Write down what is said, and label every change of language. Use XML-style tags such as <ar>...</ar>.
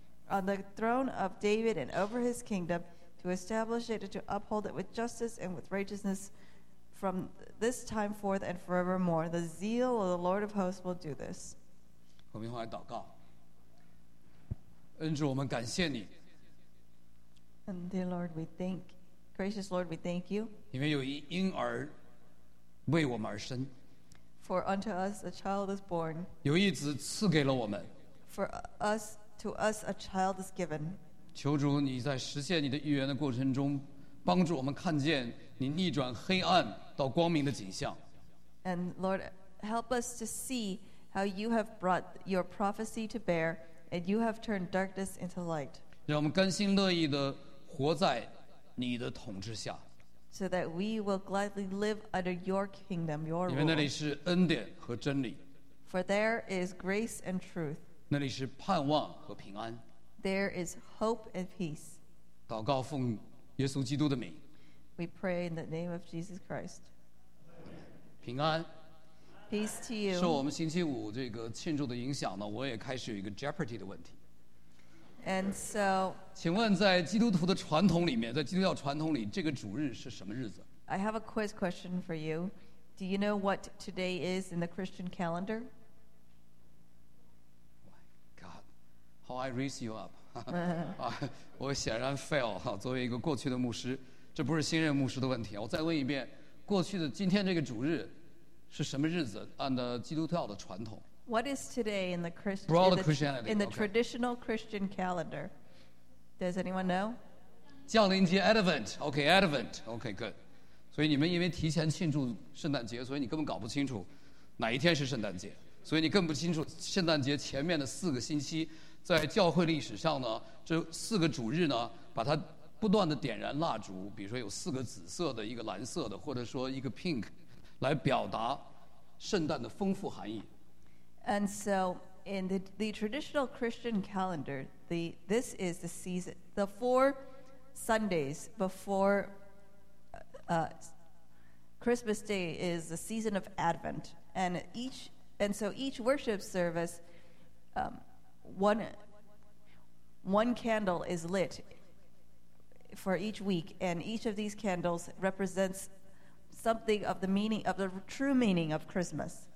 <en>On the throne of David and over his kingdom, to establish it and to uphold it with justice and with righteousness from this time forth and forevermore. The zeal of the Lord of hosts will do this.</en> <zh>我们一会儿来祷告。恩主，我们感谢你。</zh> <en>And dear Lord, we thank, gracious Lord, we thank you.</en> <zh>因为有一婴儿为我们而生。</zh> <en>For unto us a child is born.</en> <zh>有一子赐给了我们。</zh> <en>For us, to us a child is given.</en> <zh>求主你在实现你的预言的过程中，帮助我们看见你逆转黑暗到光明的景象。</zh> <en>And Lord, help us to see how you have brought your prophecy to bear, and you have turned darkness into light.</en> <zh>让我们甘心乐意地活在你的统治下。</zh> <en>So that we will gladly live under your kingdom, your rule.</en> <zh>因为那里是恩典和真理。</zh> <en>For there is grace and truth.</en> <zh>那里是盼望和平安。</zh> <en>There is hope and peace.</en> <zh>祷告奉耶稣基督的名。</zh> <en>We pray in the name of Jesus Christ.</en> <zh>平安。</zh> <en>Peace to you.</en> <zh>受我们星期五这个庆祝的影响呢，我也开始有一个 Jeopardy 的问题。</zh> <en>And so,</en> <zh>请问在基督徒的传统里面，在基督教传统里，这个主日是什么日子？</zh> <en>I have a quiz question for you. Do you know what today is in the Christian calendar? My God, how I raise you up.</en> <zh>我显然 fail, 作为一个过去的牧师，这不是新任牧师的问题。我再问一遍，过去的今天这个主日是什么日子？按照基督教的传统。</zh> <en>What is today in the Christianity, in the、 okay. traditional Christian calendar? Does anyone know? 降临节 Advent. Okay, Advent. Okay, good.</en> <zh>所以你们因为提前庆祝圣诞节，所以你根本搞不清楚哪一天是圣诞节。所以你更不清楚圣诞节前面的四个星期在教会历史上呢，这四个主日呢，把它不断的点燃蜡烛，比如说有四个紫色的，一个蓝色的，或者说一个 pink， 来表达圣诞的丰富含义。</zh> <en>And so in the traditional Christian calendar, this is the season, the four Sundays before Christmas Day is the season of Advent, and so each worship service, one candle is lit for each week, and each of these candles represents something of the meaning of the true meaning of Christmas.</en>